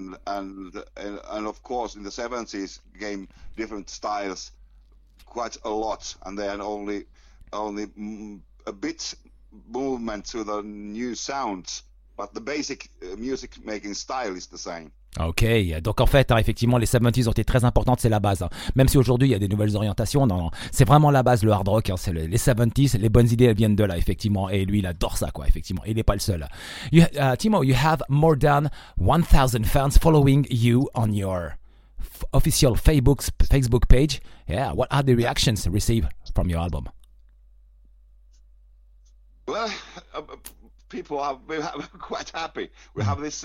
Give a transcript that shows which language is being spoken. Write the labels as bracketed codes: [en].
[en] And of course, in the 70s came different styles quite a lot, and then only a bit movement to the new sounds, but the basic music making style is the same. [fr] Ok, donc en fait, hein, effectivement, les 70s ont été très importantes, c'est la base. Hein. Même si aujourd'hui il y a des nouvelles orientations, non, c'est vraiment la base, le hard rock, hein, c'est les 70s, les bonnes idées, elles viennent de là, effectivement. Et lui, il adore ça, quoi, effectivement. Il n'est pas le seul. [en] Timo, you have more than 1,000 fans following you on your official Facebook page. Yeah, what are the reactions received from your album? Well, people are quite happy. We have this.